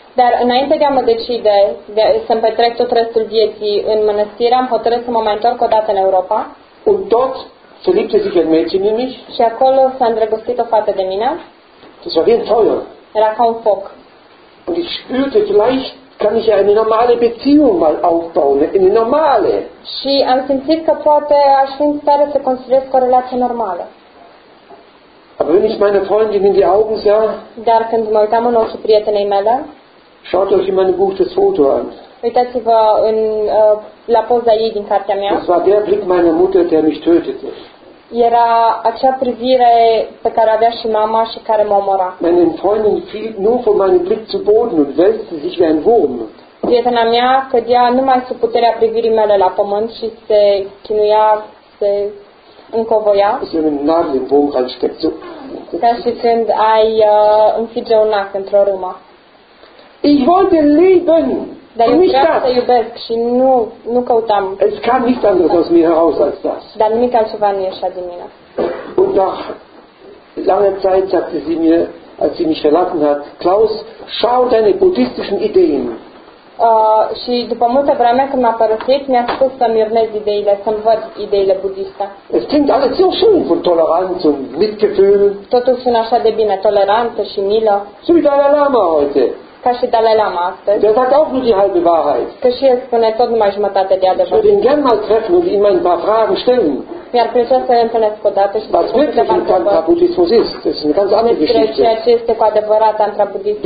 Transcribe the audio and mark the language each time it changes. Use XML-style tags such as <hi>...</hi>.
<ro>Dar înainte de a mă decide să-mi petrec tot restul vieții în mănăstire, am hotărât să mă mai întorc o dată în Europa.</ro> <de>Und dort verliebte sich ein Mädchen in mich.</de> <ro>Și acolo s-a îndrăgostit o fată de mine.</ro> <de>Das war wie ein Feuer.</de> <ro>Era ca un foc.</ro> <de>Und ich spürte vielleicht, kann ich ja eine normale Beziehung mal aufbauen, eine normale.</de> <ro>Și am simțit că poate aș fi în stare să construiesc o relație normală.</ro> <de>Aber wenn ich meine Freundin in die Augen sah,</de> <ro>dar când mă uitam în ochii prietenei mele,</ro> <de>schaut euch in meinem Buch das Foto an.</de> <ro>Uitați-vă la poza ei din cartea mea.</ro> <de>Das war der Blick meiner Mutter, der mich tötete.</de> <ro>era acea privire pe care avea și mama și care mă omora.</ro> <de>Meine Freundin fiel nur von meinem Blick zu Boden und wälzte sich wie ein Wurm.</de> <ro>Prietena mea cădea numai sub puterea privirii mele la pământ și se chinuia, se încovoia.</ro> <de>Ist ein Nagel im Wurm reinsteckt. So.</de> <ro>Ca și când ai înfige un nac într-o râmă.</ro> <de>Ich wollte leben.</de> <ro>Dar eu vreau să iubesc și nu căutam.</ro> <de>Es kam nichts anderes aus mir heraus als das.</de> <ro>Dar nimic altceva nu ieșea din mine.</ro> <de>Und nach langer Zeit sagte sie mir, als sie mich verlassen hat, Klaus, schau deine buddhistischen Ideen.</de> <ro>Și după multă vreme când m-a părăsit, mi-a spus să-mi urmez ideile, să-mi văd ideile budiste.</ro> <de>Es klingt alles so schön von Toleranz und Mitgefühl.</de> <ro>Totul sună așa de bine, toleranță și milă.</ro> <de>So wie Dalai Lama heute.</de> <ro>Ca și Dalai Lama astăzi.</ro> <de>Der sagt auch nur die halbe Wahrheit.</de> <ro>Că și el spune tot numai jumătate de adevăr.</ro> <de>Ich würde ihn gern mal treffen und ihm ein paar Fragen stellen.</de> <ro>Mi-ar plăcea să-l întâlnesc odată și</ro> <de>was wirklich ein Tantra-Buddhismus ist. Das ist eine ganz andere Geschichte.</de> <ro>Despre ceea ce este cu adevărat Tantra-Buddhismus.</ro>